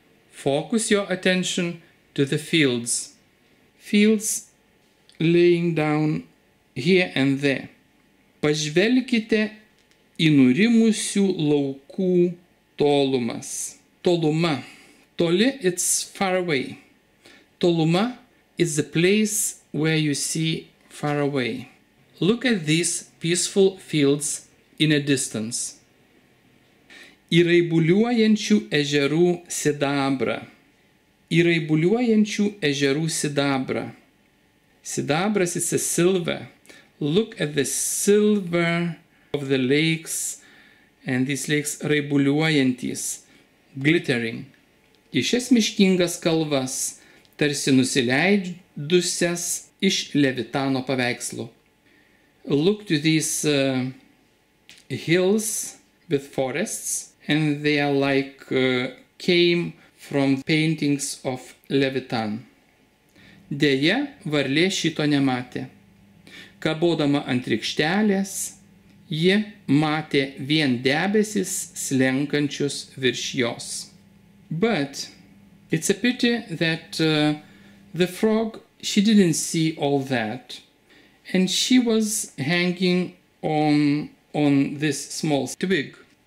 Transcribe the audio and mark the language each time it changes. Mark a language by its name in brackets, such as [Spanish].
[English] Focus your attention to the fields. Fields laying down here and there. [Lithuanian] Pažvelkite į nurimusių laukų tolumas. [English] Toluma. Toli, it's far away. Toluma is the place where you see far away. Look at these peaceful fields in a distance. [Lithuanian] Įraibuliuojančių ežerų sidabra. Įraibuliuojančių ežerų sidabra. [English] Sidabras is a silver. Look at the silver of the lakes, and these lakes raibuliuojantys, glittering. [Lithuanian] Į šias miškingas kalvas, tarsi nusileidusias iš Levitano paveikslų. [English] look to these hills with forests, and they are like came from paintings of Levitan. [Lithuanian] Deja, varlė šito nematė. Kabodama ant rykštelės, ji matė vien debesis slenkančius virš jos. [English] But it's a pity that the frog, she didn't see all that. And she was hanging on this small twig.